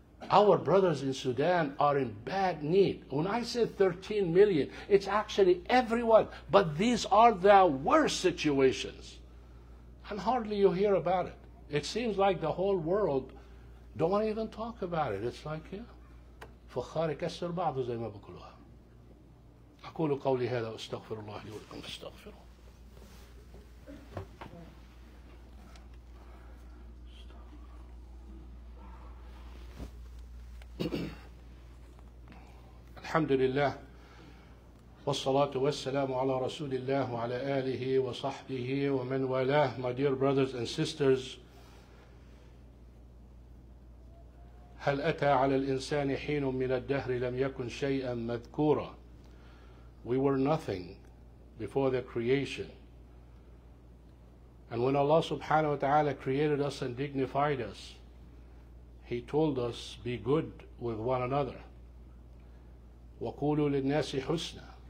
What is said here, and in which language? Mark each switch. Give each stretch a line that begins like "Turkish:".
English: Our brothers in Sudan are in bad need. When I say 13 million, it's actually everyone. But these are the worst situations. And hardly you hear about it. It seems like the whole world don't want to even talk about it. It's like, yeah.
Arabic: فخار كسر بعضه زي ما بقولها. أقول قولي هذا واستغفر الله لي ولكم فاستغفروه. الحمد لله والصلاة والسلام على رسول الله وعلى آله وصحبه ومن والاه.
English: My dear brothers and sisters,
Arabic: هل أتى على الإنسان حين من الدهر لم يكن شيئا مذكورا.
English: We were nothing before the creation. And when Allah subhanahu wa ta'ala created us and dignified us, He told us, be good with one another.
Arabic: وَقُولُوا لِلنَّاسِ حُسْنًا.